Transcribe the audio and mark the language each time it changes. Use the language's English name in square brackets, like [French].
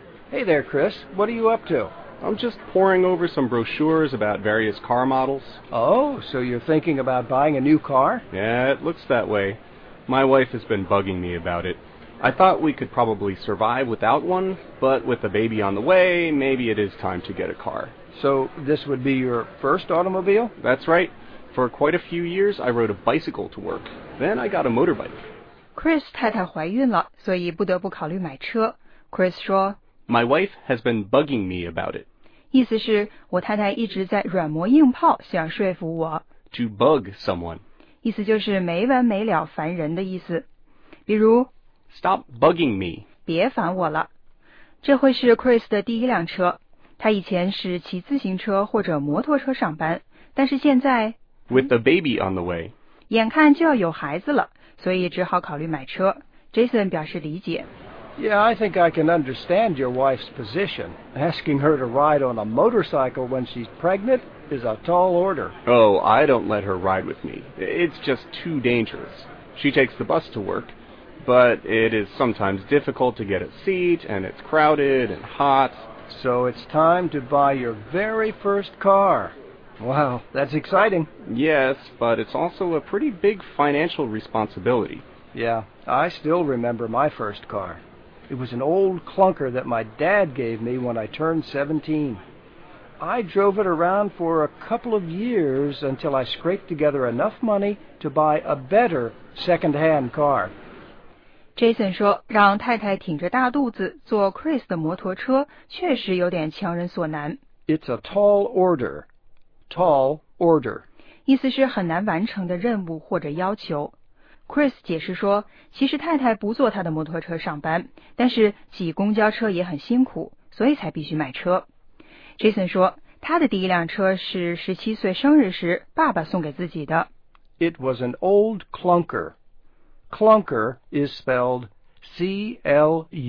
[English] Hey there, Chris. What are you up to? I'm just poring over some brochures about various car models. Oh, so you're thinking about buying a new car? Yeah, it looks that way. My wife has been bugging me about it. I thought we could probably survive without one, but with a baby on the way, maybe it is time to get a car. So this would be your first automobile? That's right. For quite a few years, I rode a bicycle to work. Then I got a motorbike. [Chinese] Chris 太太怀孕了，所以不得不考虑买车。 Chris 说 [English] My wife has been bugging me about it. [Chinese] 意思是我太太一直在软磨硬泡想说服我。 [English] To bug someone. [Chinese] 意思就是没完没了烦人的意思。比如 [English] Stop bugging me. [Chinese] 别烦我了。这会是 Chris 的第一辆车。他以前是骑自行车或者摩托车上班。但是现在 [English] With a baby on the way. [Chinese] 眼看就要有孩子了，所以只好考虑买车。 Jason 表示理解。 [English] Yeah, I think I can understand your wife's position. Asking her to ride on a motorcycle when she's pregnant is a tall order. Oh, I don't let her ride with me. It's just too dangerous. She takes the bus to work, but it is sometimes difficult to get a seat, and it's crowded and hot. So it's time to buy your very first car. Wow, that's exciting. Yes, but it's also a pretty big financial responsibility. Yeah, I still remember my first car. It was an old clunker that my dad gave me when I turned 17. I drove it around for a couple of years until I scraped together enough money to buy a better second-hand car. [Chinese] Jason 说，让太太挺着大肚子坐 Chris 的摩托车确实有点强人所难。 [English] It's a tall order. Tall order. [Chinese] 意思是很难完成的任务或者要求。Chris 解释说，其实太太不坐他的摩托车上班，但是挤公交车也很辛苦，所以才必须买车。 Jason 说，他的第一辆车是17岁生日时爸爸送给自己的。 [English] It was an old clunker. Clunker is spelled C-L-U-N-K-E-R.